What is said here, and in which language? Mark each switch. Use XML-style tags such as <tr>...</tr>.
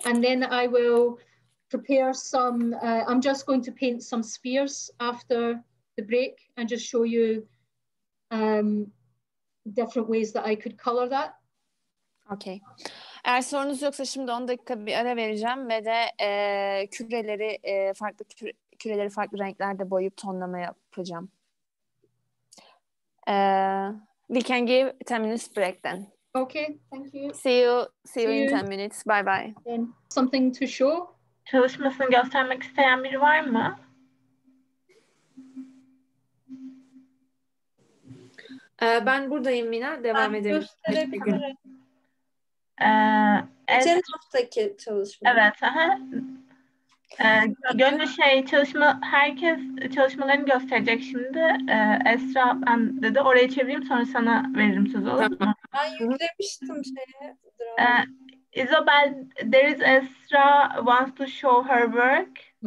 <en>And then I will prepare some, I'm just going to paint some spheres after the break and just show you different ways that I could color that. Okay.</en> <tr>Eğer sorunuz yoksa şimdi 10 dakika bir ara vereceğim ve de küreleri farklı küreleri farklı renklerde boyayıp tonlama yapacağım.</tr> <en>We can give 10 minutes break then. Okay, thank you. See you in 10 minutes. Bye bye. Then something to show?</en> <tr>Çalışmasını göstermek isteyen biri var mı? Ben buradayım Mina. Devam edelim. Geçen haftaki çalışma. Evet. Gönül şey çalışma herkes çalışmalarını gösterecek şimdi. Esra ben de oraya çevireyim sonra sana veririm söz olur mu? Ben yüklemiştim şeye.</tr> <en>Isabel, there is Esra wants to show her work.</en>